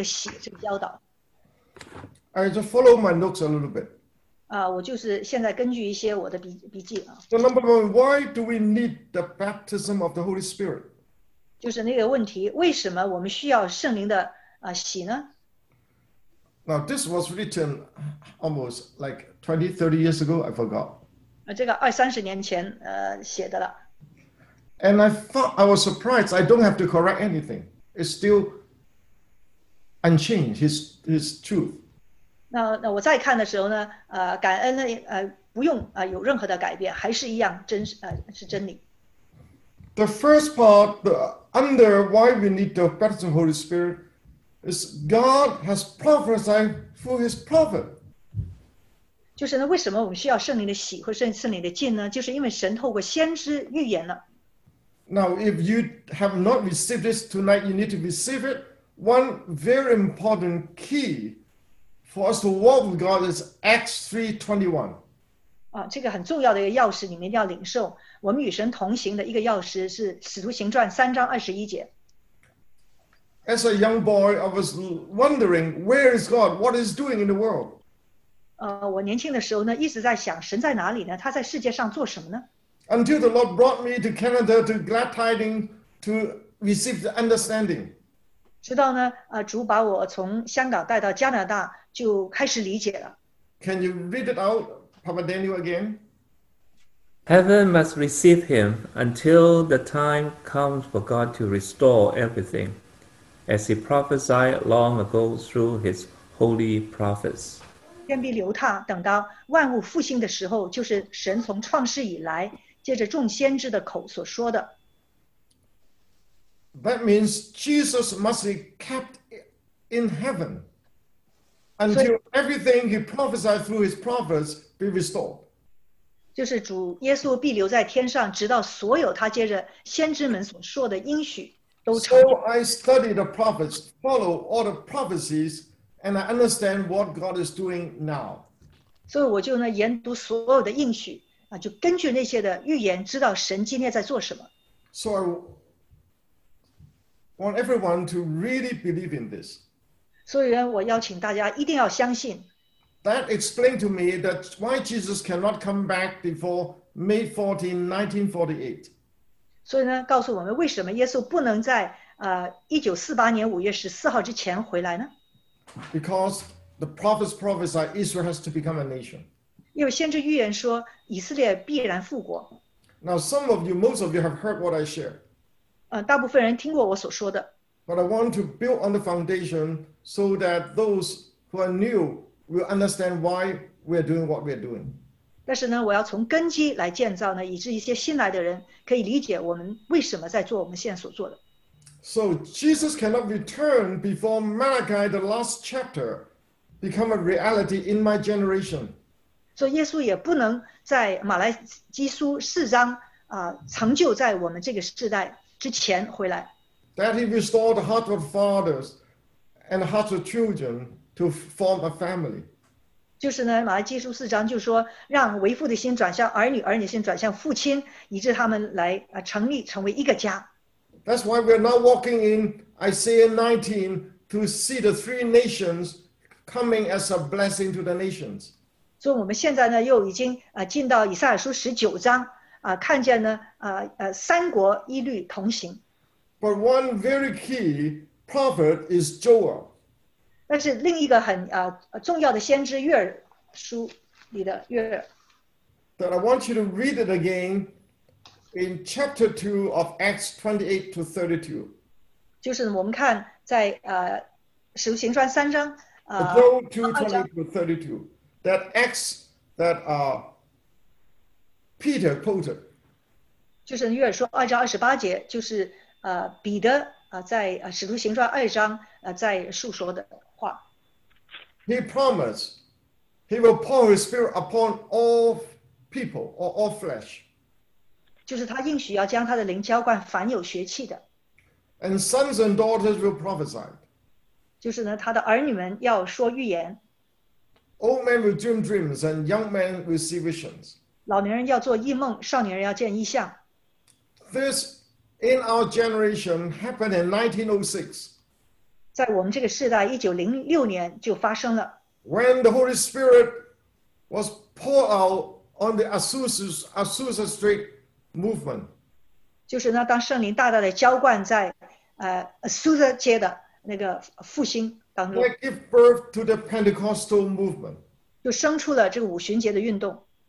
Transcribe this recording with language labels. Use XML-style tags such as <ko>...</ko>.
<zh>所以这个大图画的里面，把大家带进这个圣灵的洗这个教导。</zh> <en>I just follow my notes a little bit.</en> <zh>我就是现在根据一些我的笔记啊。</zh> <en>So number one, why do we need the baptism of the Holy Spirit?</en> <zh>就是那个问题，为什么我们需要圣灵的洗呢？</zh> <en>Now this was written almost like 20, 30 years ago. I forgot.</en> <zh>这个二三十年前写的了。</zh> <en>And I thought I was surprised. I don't have to correct anything. It's still unchanged. His truth.</en> <zh>那我再看的时候呢，感恩呢，不用有任何的改变，还是一样真是真理。</zh> <en>The first part, the under why we need the baptism of the Holy Spirit, is God has prophesied through His prophet.</en> <zh>就是呢，为什么我们需要圣灵的洗或圣灵的浸呢？就是因为神透过先知预言了。</zh> <en>Now, if you have not received this tonight, you need to receive it. One very important key for us to walk with God is Acts 3:21.</en> <zh>这个很重要的一个钥匙，你们一定要领受。我们与神同行的一个钥匙是《使徒行传》3:21。</zh> <en>As a young boy, I was wondering, where is God? What is doing in the world?</en> <zh>我年轻的时候呢，一直在想神在哪里呢？他在世界上做什么呢？</zh> <en>Until the Lord brought me to Canada to Glad Tidings to receive the understanding.</en> <zh>直到呢，主把我从香港带到加拿大，就开始理解了。</zh> <en>Can you read it out, Papa Daniel, again? Heaven must receive him until the time comes for God to restore everything, as he prophesied long ago through his holy prophets.</en> <zh>天必留他，等到万物复兴的时候，就是神从创世以来，借着众先知的口所说的。</zh> <en>That means Jesus must be kept in heaven until everything he prophesied through his prophets be restored.</en> <zh>就是主耶稣必留在天上，直到所有他借着先知们所说的应许都成。</zh> <en>So I study the prophets, follow all the prophecies, and I understand what God is doing now.</en> <zh>所以我就呢研读所有的应许啊，就根据那些的预言，知道神今天在做什么。</zh> <en>So I want everyone to really believe in this.</en> <zh>所以呢，我邀请大家一定要相信。</zh> <en>That explained to me that why Jesus cannot come back before May 14, 1948.</en> <zh>所以呢，告诉我们为什么耶稣不能在1948年5月14号之前回来呢？</zh> <en>Because the prophets prophesied Israel has to become a nation.</en> <zh>因为先知预言说以色列必然复国。</zh> <en>Now some of you, most of you have heard what I share.</en> <zh>大部分人听过我所说的。</zh> <en>But I want to build on the foundation so that those who are new. We understand why we are doing what we are doing.</en> <zh>但是呢，我要从根基来建造呢，以致一些新来的人可以理解我们为什么在做我们现在所做的。</zh> <en>So Jesus cannot return before Malachi the last chapter become a reality in my generation.</en> <zh>所以耶稣也不能在马来基书四章成就在我们这个世代之前回来。</zh> <en>That he restored the hearts of fathers and the hearts of children. To form a family.</en> <zh>就是呢，马来基书四章就说，让为父的心转向儿女，儿女的心转向父亲，以致他们来成立成为一个家。</zh> <en>That's why we're now walking in Isaiah 19 to see the three nations coming as a blessing to the nations.</en> <zh>所以我们现在呢，又已经进到以赛亚书十九章看见呢三国一律同行。</zh> <en>But one very key prophet is Joel.</en> <zh>但是另一个很重要的先知约珥书里的约珥。</zh> <en>That I want you to read it again in chapter 2 of Acts 28 to 32.</en> <zh>就是我们看在使徒行传三章。</zh> <en>Go to 28 to 32. That Acts that Peter quoted.</en> <zh>就是约珥书二章二十八节，就是彼得在使徒行传二章在述说的。</zh> <en>He promised he will pour his spirit upon all people or all flesh.</en> <zh>就是他应许要将他的灵浇灌凡有血气的。</zh> <en>And sons and daughters will prophesy.</en> <zh>就是呢，他的儿女们要说预言。</zh> <en>Old men will dream dreams and young men will see visions.</en> <zh>老年人要做异梦，少年人要见异象。</zh> <en>This in our generation happened in 1906.</en> <zh>在我们这个世代1906年就发生了。</zh> <en>When the Holy Spirit was poured out on the Azusa Street movement.</en> <zh>就是呢当圣灵大大的浇灌在Azusa 街的那个复兴当中。</zh> <en>That gave birth to the Pentecostal movement.</en> <zh>就生出了这个五旬节的运动。</zh>